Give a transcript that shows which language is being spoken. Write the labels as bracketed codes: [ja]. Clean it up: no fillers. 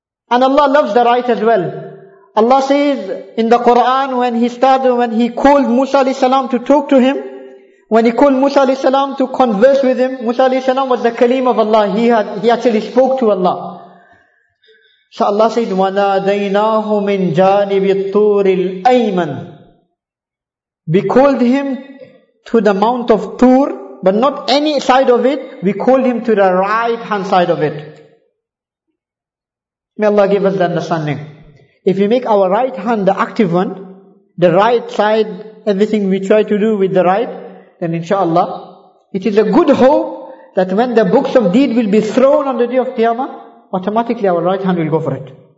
[en] And Allah loves the right as well. Allah says in the Quran, when He called Musa alayhi salam to talk to Him, when He called Musa alayhi salam to converse with Him, Musa alayhi salam was the Kaleem of Allah. He actually spoke to Allah. So Allah said, [ar] وَنَادَيْنَاهُ مِنْ جَانِبِ الطُّورِ الْأَيْمَنِ. [en] We called Him to the Mount of Tur, but not any side of it. We called Him to the right hand side of it. May Allah give us the understanding. If we make our right hand the active one, the right side, everything we try to do with the right, then inshallah, it is a good hope that when the books of deed will be thrown on the day of Qiyamah, automatically our right hand will go for it.